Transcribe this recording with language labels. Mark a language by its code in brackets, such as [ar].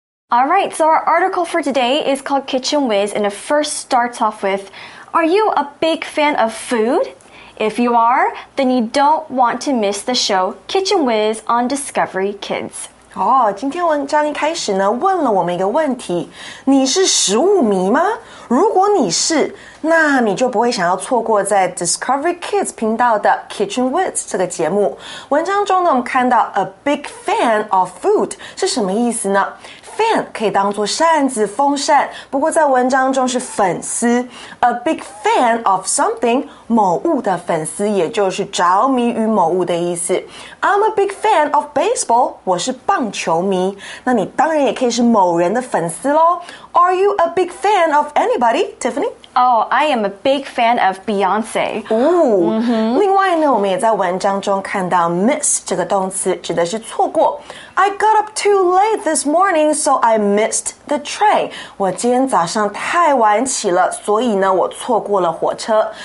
[en] All right, so our article for today is called Kitchen Whiz, and it first starts off with, are you a big fan of food? If you are, then you don't want to miss the show Kitchen Whiz on Discovery Kids. [zh] 今天文章一开始呢，问了我们一个问题，你是食物迷吗？如果你是，那你就不会想要错过在 Discovery Kids 频道的 Kitchen Whiz 这个节目。文章中呢，我们看到 [en] a big fan of food [zh] 是什么意思呢？ Fan 可以当作扇子、风扇，不过在文章中是粉丝。 [en] A big fan of something， [zh] 某物的粉丝，也就是着迷于某物的意思。 [en] I'm a big fan of baseball， [zh] 我是棒球迷。那你当然也可以是某人的粉丝咯。 [en] Are you a big fan of anybody, Tiffany? Oh, I am a big fan of Beyonce. Ooh,、mm-hmm. [zh] 另外呢，我们也在文章中看到 miss 这个动词指的是错过。 [en] I got up too late this morning, so I missed the train. [zh] 我今天早上太晚起了，所以呢，我错过了火车。